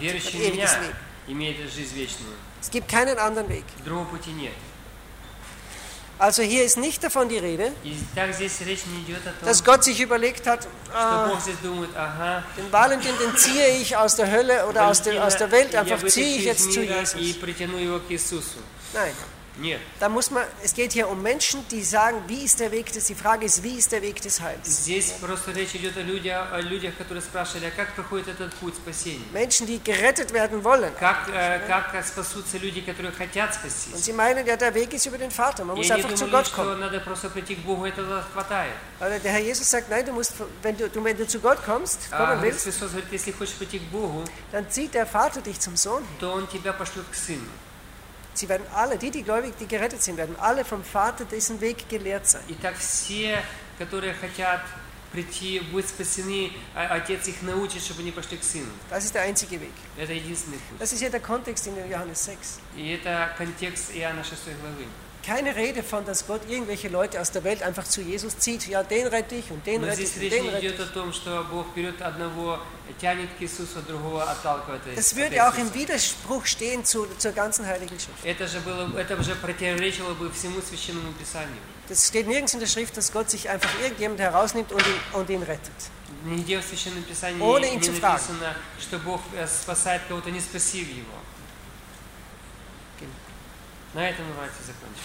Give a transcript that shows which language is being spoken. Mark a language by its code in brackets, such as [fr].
[ru] верующий в меня, имеет жизнь вечную. [de] Es gibt keinen anderen Weg. [ru] Другого пути нет. [de] Also hier ist nicht davon die Rede. [ru] И так здесь речь не идет о том, [de] dass Gott sich überlegt hat, [ru] что Бог здесь думает, ага, [de] den Valentin, den ziehe ich aus der Hölle oder aus der Welt, einfach ziehe ich jetzt zu Jesus. [ru] И притяну его к Иисусу. [de] Nein. [ru] Нет. [de] Da muss man, es geht hier um Menschen, die sagen, wie ist der Weg des, die Frage ist, wie ist der Weg des Heils? [ru] Здесь просто речь идет о людях, которые спрашивали, а как проходит этот путь спасения? [de] Menschen, die gerettet werden wollen. [ru] Как спасутся люди, которые хотят спастись? [de] Und sie meinen, ja, der Weg ist über den Vater, man [ru] и [de] muss einfach [ru] думали, [de] zu Gott kommen. [ru] Надо просто прийти к Богу, это хватает. [de] Aber der Herr Jesus sagt, nein, du musst, wenn du zu Gott kommst, kommen willst, [ru] говорит, если хочешь прийти к Богу, [de] dann zieht der Vater dich zum Sohn hin. [ru] То он тебя пошлет к сыну. [de] Sie werden alle, die gläubig, die gerettet sind, werden alle vom Vater diesen Weg gelehrt sein. [ru] Итак, все, которые хотят прийти, будут спасены, отец их научит, чтобы они пошли к сыну. [de] Das ist der einzige Weg. [ru] Это единственный путь. [de] Das ist hier der Kontext in Johannes 6. [ru] И это контекст Иоанна 6 главы. [de] Keine Rede von, dass Gott irgendwelche Leute aus der Welt einfach zu Jesus zieht. Ja, den rette ich und den rette ich und den rette ich. [ru] О том, что Бог берет одного, тянет к Иисусу, а другого отталкивает. [de] Das würde auch im Widerspruch stehen zur ganzen Heiligen Schrift. [ru] Это же противоречило бы всему Священному Писанию. [de] Das steht nirgends in der Schrift, dass Gott sich einfach irgendjemand herausnimmt und ihn rettet. [ru] Нигде в Священном Писании не написано, что Бог спасает кого-то, не спасив его. На этом давайте закончим.